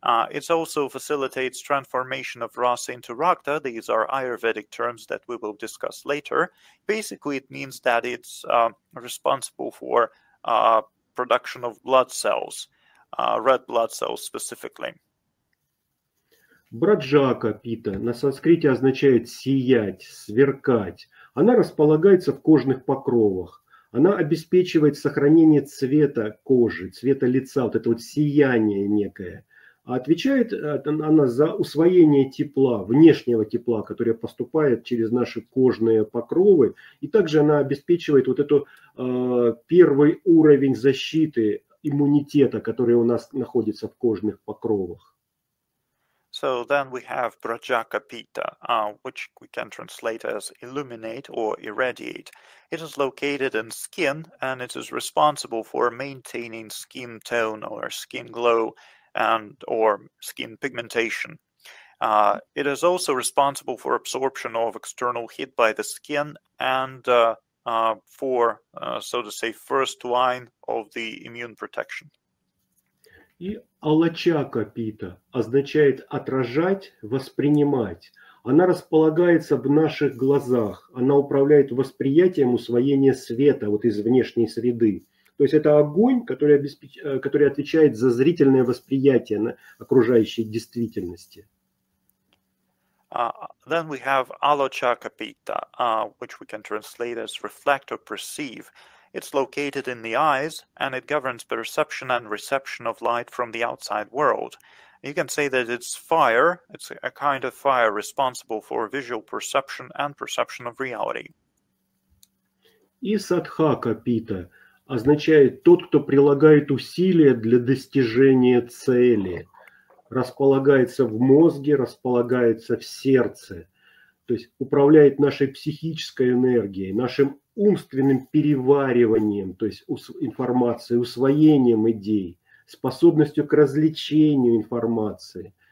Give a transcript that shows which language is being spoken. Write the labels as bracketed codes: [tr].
[en] It also facilitates transformation of rasa into rakta. These are Ayurvedic terms that we will discuss later. Basically, it means that it's responsible for production of blood cells, red blood cells specifically. [ru] Раджакапита на санскрите означает сиять, сверкать. Она располагается в кожных покровах. Она обеспечивает сохранение цвета кожи, цвета лица, вот это вот сияние некое. А отвечает она за усвоение тепла, внешнего тепла, которое поступает через наши кожные покровы. И также она обеспечивает вот эту первый уровень защиты иммунитета, который у нас находится в кожных покровах. [en] So then we have Ранджакапита, which we can translate as illuminate or irradiate. It is located in skin and it is responsible for maintaining skin tone or skin glow and or skin pigmentation. It is also responsible for absorption of external heat by the skin and for, so to say, first line of the immune protection. [ru] И Алачакапита означает отражать, воспринимать. Она располагается в наших глазах. Она управляет восприятием усвоения света вот из внешней среды. То есть это огонь, который отвечает за зрительное восприятие окружающей действительности. [en] Then we have Alochakapita, which we can translate as reflect or perceive. It's located in the eyes, and it governs perception and reception of light from the outside world. You can say that it's fire, it's a kind of fire responsible for visual perception and perception of reality. [ru] И Садхакапита означает тот, кто прилагает усилия для достижения цели. Располагается в мозге, располагается в сердце. То есть управляет нашей психической энергией, нашим умственным перевариванием, то есть информацией, усвоением идей, способностью к развлечению информации.